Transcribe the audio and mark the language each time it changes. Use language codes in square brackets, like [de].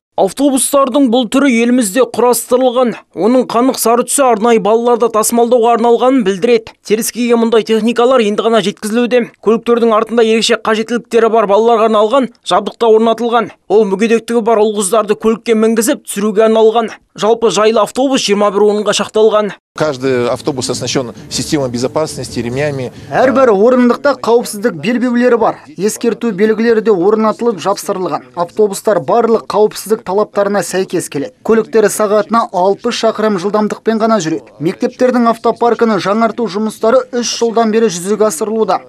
[kk] Автобустардың бұл түрі елімізде құрастырылған, оның қанық сары түсі арнайы балаларды тасымалдауға арналғанын білдіреді. Теріскейге мұндай техникалар енді ғана жеткізілуде. Көліктердің артында ерекше қажеттіліктері бар балаларға арналған жабдық та орнатылған. Ол мүгедектігі бар ұл-қыздарды көлікке мінгізіп түсіруге арналған. Жалпы жайлы автобус 21 орынға шақталған. [ru] Каждый автобус оснащен системой безопасности, ремнями. [kk] Әрбір орындықта қауіпсіздік белбеулері бар. Ескерту белгілері де орнатылып жапсырылған. Автобустар барлық қауіпсіздік талаптарына сәйкес келеді. Көліктері сағатына 60 шақырым жылдамдықпен ғана жүреді. Мектептердің автопаркіні жаңарту жұмыстары 3 жылдан бері жүзеге асырылуда.